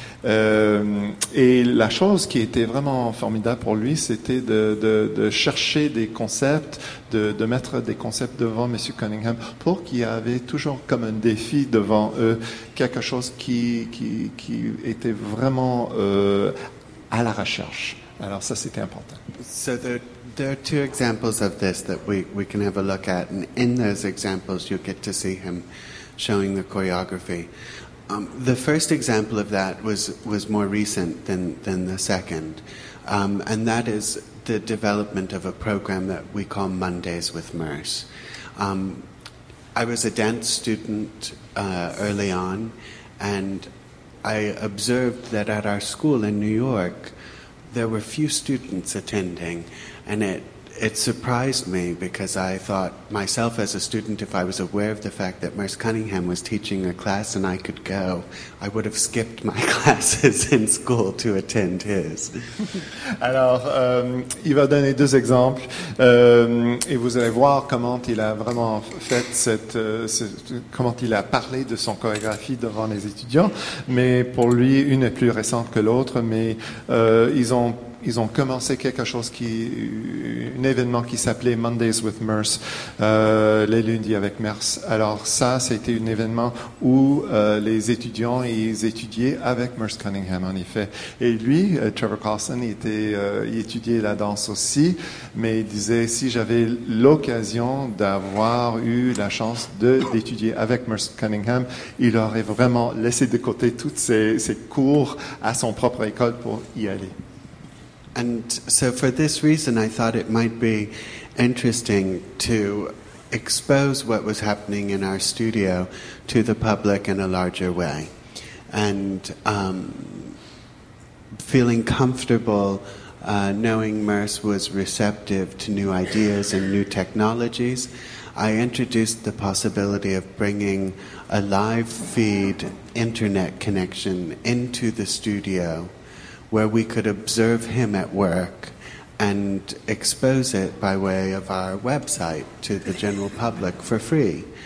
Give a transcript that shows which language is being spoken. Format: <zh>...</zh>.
<fr>Et la chose qui était vraiment formidable pour lui, c'était de chercher des concepts, de mettre des concepts devant M. Cunningham pour qu'il y avait toujours comme un défi devant eux, quelque chose qui était vraiment à la recherche. Alors ça, c'était important.</fr> <en>So there are two examples of this that we can have a look at, and in those examples you get to see him showing the choreography. The first example of that was more recent than the second, and that is the development of a program that we call Mondays with Merce. I was a dance student early on, and I observed that at our school in New York there were few students attending, and it surprised me, because I thought myself as a student, if I was aware of the fact that Merce Cunningham was teaching a class and I could go, I would have skipped my classes in school to attend his.</en> <fr>Alors, il va donner deux exemples, et vous allez voir comment il a vraiment fait comment il a parlé de son chorégraphie devant les étudiants. Mais pour lui, une est plus récente que l'autre, mais ils ont commencé quelque chose un événement qui s'appelait Mondays with Merce, les lundis avec Merce. Alors ça, c'était un événement où les étudiants, ils étudiaient avec Merce Cunningham, en effet. Et lui, Trevor Carlson, il étudiait la danse aussi, mais il disait, si j'avais l'occasion d'avoir eu la chance d'étudier avec Merce Cunningham, il aurait vraiment laissé de côté toutes ses cours à son propre école pour y aller.</fr> <en>And so for this reason, I thought it might be interesting to expose what was happening in our studio to the public in a larger way. And feeling comfortable, knowing Merce was receptive to new ideas and new technologies, I introduced the possibility of bringing a live feed internet connection into the studio, where we could observe him at work and expose it by way of our website to the general public for free.</en>